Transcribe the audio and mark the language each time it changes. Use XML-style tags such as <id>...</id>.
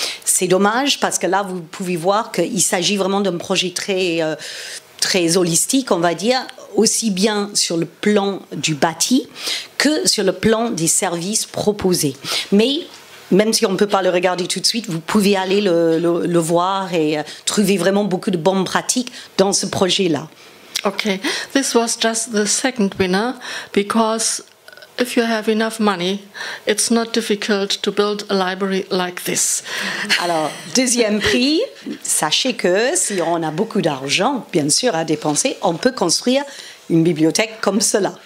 <fr>C'est dommage parce que là, vous pouvez voir qu'il s'agit vraiment d'un projet très, très holistique, on va dire, aussi bien sur le plan du bâti que sur le plan des services proposés. Mais même si on ne peut pas le regarder tout de suite, vous pouvez aller le voir et trouver vraiment beaucoup de bonnes pratiques dans ce projet-là.</fr> <en>Okay, this was just the second winner, because if you have enough money, it's not difficult to build a library like this.</en> <fr>Alors, deuxième prix, sachez que si on a beaucoup d'argent, bien sûr, à dépenser, on peut construire une bibliothèque comme cela.</fr>